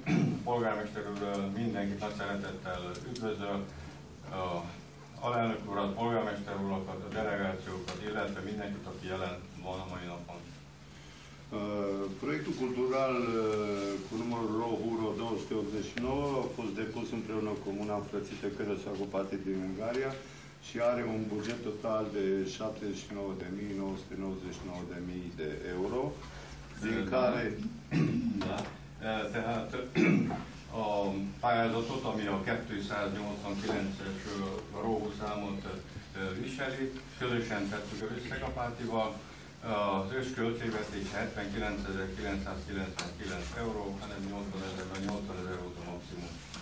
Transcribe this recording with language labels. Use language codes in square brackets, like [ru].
[hu] A polgármester úr mindenkit nagy szeretettel üdvözöl, alelnök urat, polgármester urakat, a delegációkat, illetve mindenkit, aki jelen van a mai napon. [ro] Proiectul cultural cu numărul RO-URO-289 a fost depus împreună cu Comuna Frățită Cărăsagopate din Ungaria și are un buget total de 79.999.000 de euro. Din care, [hu] da, tehát a pályázatot, ami a 289-es RO-hu számot viseli, közösen tettük össze a pártival, az összköltségvetés 79.999 euró, hanem 80.000 volt a maximum.